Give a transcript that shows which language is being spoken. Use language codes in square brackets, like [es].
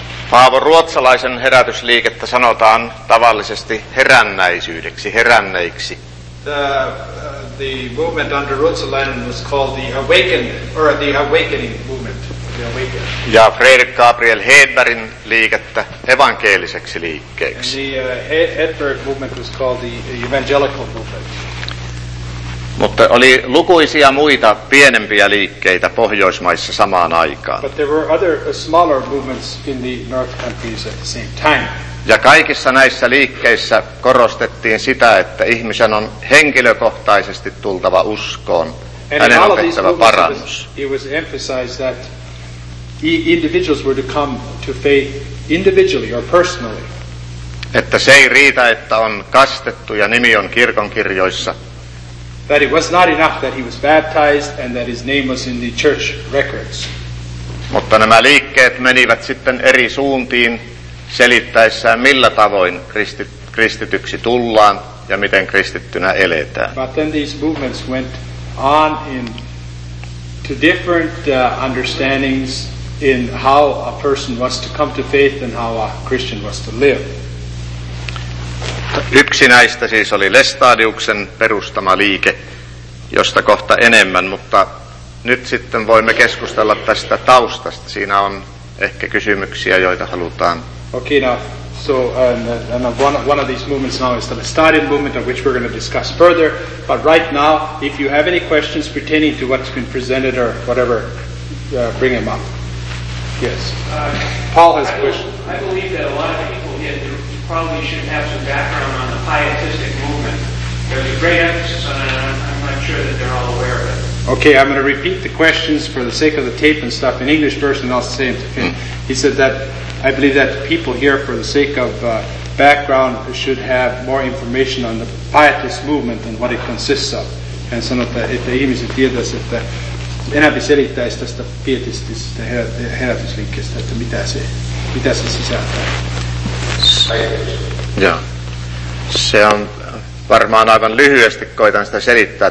[fi] Paavo Ruotsalaisen herätysliikettä sanotaan tavallisesti herännäisyydeksi, heränneiksi. [en] The movement under Ruotsalainen was called the awakened or the awakening movement. [fi] Ja Fredrik Gabriel Hedbergin liikettä evankeliseksi liikkeeksi. [en] And the Hedberg movement was called the evangelical movement. [fi] Mutta oli lukuisia muita pienempiä liikkeitä Pohjoismaissa samaan aikaan. [en] But there were other smaller movements in the North countries at the same time. [fi] Ja kaikissa näissä liikkeissä korostettiin sitä, että ihmisen on henkilökohtaisesti tultava uskoon, hänen on tehtävä parannus. [en] It was emphasized that individuals were to come to faith individually or personally. [fi] Että se ei riitä, että on kastettu ja nimi on kirkonkirjoissa. [en] That it was not enough that he was baptized and that his name was in the church records. [fi] Mutta nämä liikkeet menivät sitten eri suuntiin selittäessään, millä tavoin kristityksi tullaan ja miten kristittynä eletään. [en] But then these movements went on in to different understandings in how a person was to come to faith and how a Christian was to live. [fi] Yksi näistä siis oli Lestadiuksen perustama liike, josta kohta enemmän, mutta nyt sitten voimme keskustella tästä taustasta. Siinä on ehkä kysymyksiä, joita halutaan. [en] Okay, now, so one of these movements now is the Lestadian movement, of which we're going to discuss further. But right now, if you have any questions pertaining to what's been presented or whatever, bring them up. Yes. Paul has a question. I believe that a lot of people get probably shouldn't have some background on the pietistic movement. There's a great emphasis on it, and I'm not sure that they're all aware of it. Okay, I'm going to repeat the questions for the sake of the tape and stuff in English first, and I'll say it to him. He said that I believe that people here, for the sake of background, should have more information on the pietist movement and what it consists of. [fi] Hän sanoi, että ihmiset tietäisi, että enemmän selittäisi tästä pietististä herätysliikkeestä, että mitä se sisältää. [en] Yeah. [fi] Se on varmaan aivan lyhyesti koitan sitä selittää.